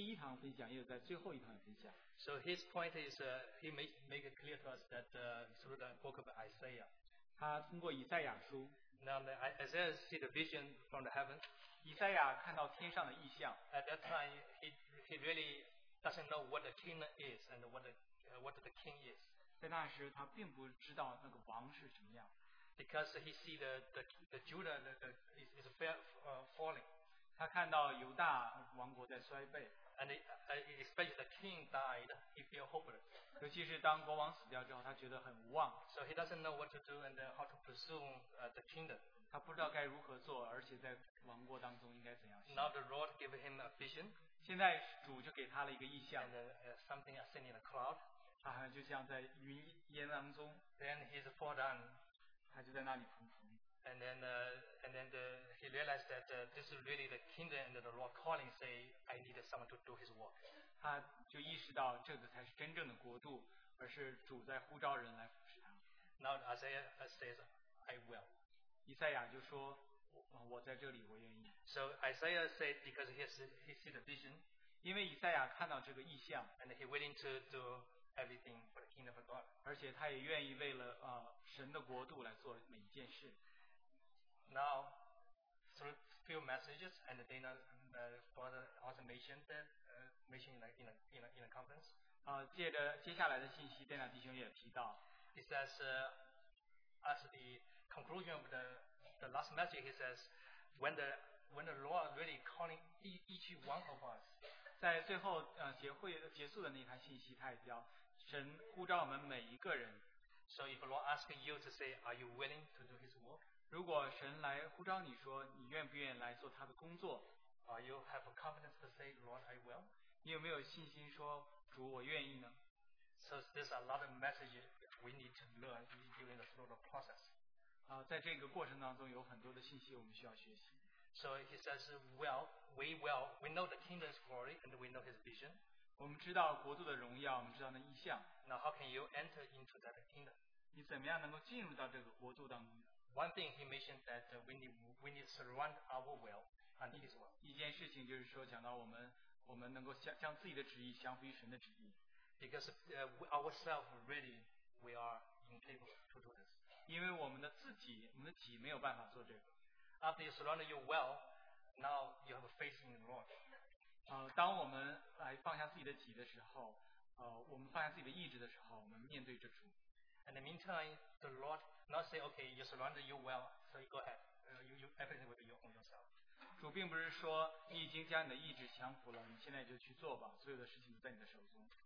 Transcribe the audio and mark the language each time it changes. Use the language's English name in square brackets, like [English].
[English] So his point is he make it clear to us that through the book of Isaiah. [Chinese] 他通过以赛亚书, [English] now the Isaiah see the vision from the heaven. [Chinese] 以赛亚看到天上的异象, [English] at that time he really doesn't know what the king is and what the king is. [Chinese] 在那时他并不知道那个王是什么样, [English] because he see the Judah is falling. [Chinese] 他看到犹大王国在衰败, [English] and he expects the king died, he feel hopeless. [Chinese] 尤其是当国王死掉之后, 他觉得很无望, [English] so he doesn't know what to do and how to pursue the kingdom. [Chinese] 他不知道该如何做, 而且在王国当中应该怎样行。 [English] Now the Lord gave him a vision. [Chinese] 现在主就给他了一个意象, [English] and something ascend in the cloud. [Chinese] 他好像就像在云烟当中, [English] then he's fall down. [Chinese] 他就在那里匍匐。 [English] And then he realized that this is really the kingdom and the Lord calling, say, I need someone to do his work. [Chinese] 他就意识到这个才是真正的国度, 而是主在呼召人来服侍他。 [English] Now Isaiah says, I will. [Chinese] 以赛亚就说, 我在这里, 我愿意。 [English] So Isaiah said, because he sees the vision, [Chinese] 因为以赛亚看到这个意象, [English] and he's willing to do everything for the kingdom of God. [Chinese] 而且他也愿意为了, 神的国度来做每一件事。 [English] Now, through a few messages, and Dana, brother also mentioned that, in a conference. [Chinese] 接下来的信息, Dana 弟兄也提到, [English] he says, as the conclusion of the last message, he says, when the Lord really calling each one of us, [Chinese] 在最后, 结束的那一台信息, 他也比较, 神呼召我们每一个人。 [English] So if the Lord asks you to say, are you willing to do His work? [Chinese] 如果神来呼召你说，你愿不愿意来做他的工作？ [English] Are you have a confidence to say, Lord, I will? [Chinese] 你有没有信心说，主，我愿意呢？ [English] So there's a lot of messages we need to learn during the slow process. [Chinese] 在这个过程当中有很多的信息我们需要学习。 [English] So He says, well, we will, we know the kingdom's glory and we know His vision. [Chinese] 我们知道国度的荣耀，我们知道那意象。 [English] Now how can you enter into that kingdom? [Chinese] 你怎么样能够进入到这个国度当中？ [English] One thing He mentioned that we need to surround our will and His will. [Chinese] 一件事情就是说讲到我们能够将自己的旨意降服于神的旨意。 [English] Because ourselves really we are incapable to do this. [Chinese] 因为我们的体没有办法做这个。 [English] After you surrender your will, now you have a faith in the Lord. [Chinese] 当我们来放下自己的己的时候，我们放下自己的意志的时候，我们面对着主。 [English] In the meantime, the Lord not say, okay, you surrender your will, so you go ahead. You everything will be your own yourself. [Chinese] 主并不是说你已经将你的意志降服了，你现在就去做吧，所有的事情都在你的手中。